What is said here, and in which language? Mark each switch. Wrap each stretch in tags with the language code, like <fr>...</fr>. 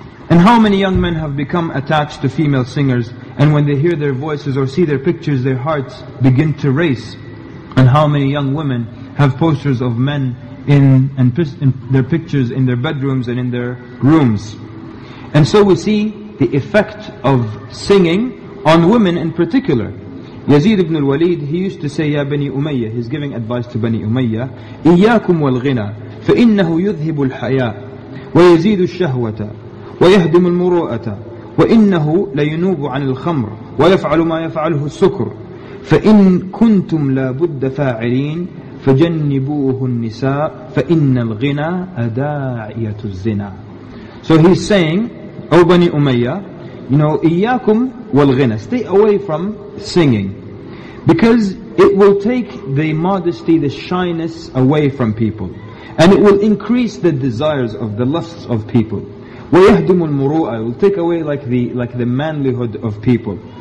<en>And how many young men have become attached to female singers, and when they hear their voices or see their pictures, their hearts begin to race. And how many young women have posters of men in their pictures in their bedrooms and in their rooms. And so we see the effect of singing on women in particular. Yazid ibn al-Walid, he used to say, Ya Bani Umayyah,</en> <ar>he's giving advice to Bani Umayyah, إِيَّاكُمْ وَالْغِنَى فَإِنَّهُ يُذْهِبُ الْحَيَاءَ وَيَزِيدُ الشَّهْوَةَ وَيَهْدِمُ الْمُرُوءَةَ وَإِنَّهُ لَيُنُوبُ عَنِ الْخَمْرِ وَيَفْعَلُ مَا يَفْعَلُهُ السُّكْرُ فَإِنْ كُنْتُمْ لَابُدَّ فَاعِلِينَ فَجَنِّبُوهُ النِّسَاءَ فَإِنَّ الْغِنَى أَدَاعِيَةُ الزِّنَى.</ar> <en>So he's saying, O Bani Umayyah, you know,</en> <ar>إِيَّاكُمْ وَالْغِنَى,</ar> <en>stay away from singing. Because it will take the modesty, the shyness away from people. And it will increase the desires of the lusts of people.</en> <ar>وَيَهْدِمُ الْمُرُوءَ,</ar> <en>it will take away like the manlihood of people.</en>